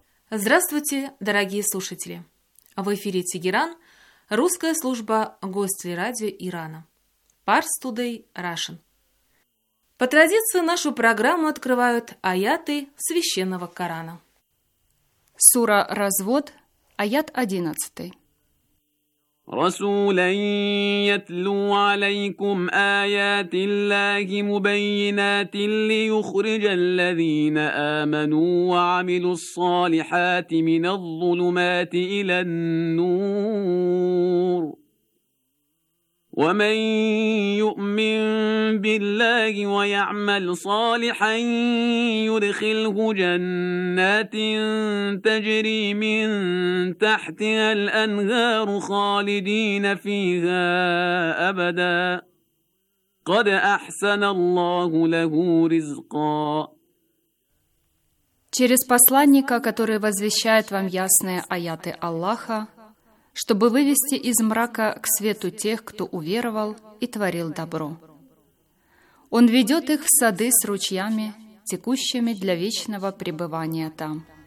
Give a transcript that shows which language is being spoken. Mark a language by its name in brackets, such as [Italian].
[Russian] Здравствуйте, дорогие слушатели! В эфире Тегеран, русская служба гостелерадио Ирана. [English] Pars Today Russian. [Russian] По традиции нашу программу открывают аяты священного Корана. Сура «Развод», аят 11. [Arabic] رسولاً يتلو عليكم آيات الله مبينات ليخرج الذين آمنوا وعملوا الصالحات من الظلمات إلى النور ومن يؤمن بالله ويعمل صالحا يدخله جنات تجري من تحتها الأنهار خالدين فيها أبدا قد أحسن الله له رزقا. [Russian] Через посланника, который возвещает вам ясные аяты Аллаха, чтобы вывести из мрака к свету тех, кто уверовал и творил добро. Он ведет их в сады с ручьями, текущими для вечного пребывания там.